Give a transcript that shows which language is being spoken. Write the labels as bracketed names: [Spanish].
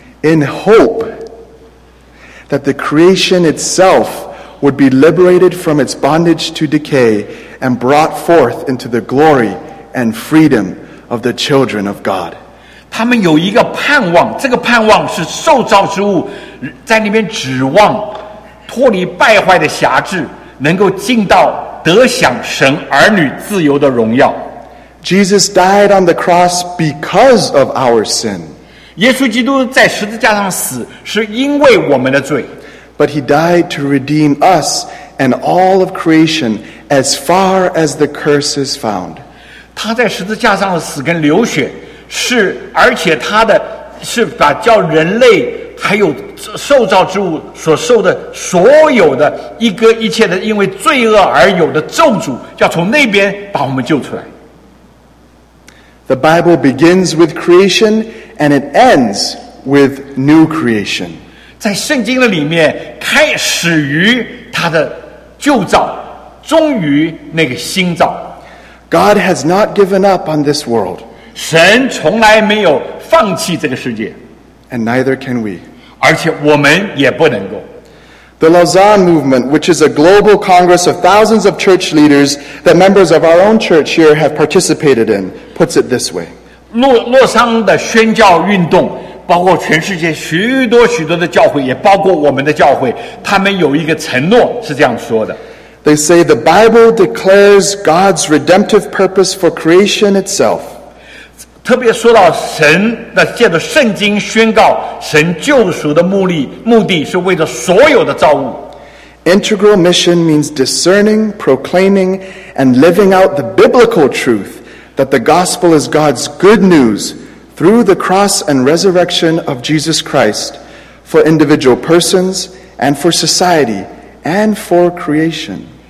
[English] In hope that the creation itself would be liberated from its bondage to decay and brought forth into the glory and freedom of the children of God. [Chinese] 他们有一个盼望，这个盼望是受造之物在那边指望脱离败坏的辖制，能够进到得享神儿女自由的荣耀。 [English] Jesus died on the cross because of our sin. [Chinese] 耶稣基督在十字架上死是因为我们的罪。 [English] But He died to redeem us and all of creation as far as the curse is found. [Chinese] 他在十字架上的死跟流血是，而且他的是把叫人类还有受造之物所受的所有的一个一切的因为罪恶而有的咒诅，要从那边把我们救出来。 [English] The Bible begins with creation and it ends with new creation. [Chinese] 在圣经的里面开始于他的旧造，终于那个新造。 [English] God has not given up on this world. [Chinese] 神从来没有放弃这个世界。 [English] And neither can we. [Chinese] 而且我们也不能够。 [English] The Lausanne Movement, which is a global congress of thousands of church leaders that members of our own church here have participated in, puts it this way. [Chinese] 洛桑的宣教运动包括全世界许多许多的教会，也包括我们的教会，他们有一个承诺是这样说的。 [English] They say the Bible declares God's redemptive purpose for creation itself. [Chinese] 特别说到神的借着圣经宣告神救赎的目的是为了所有的造物。 [English] Integral mission means discerning, proclaiming, and living out the biblical truth that the gospel is God's good news. Through the cross and resurrection of Jesus Christ, for individual persons and for society and for creation.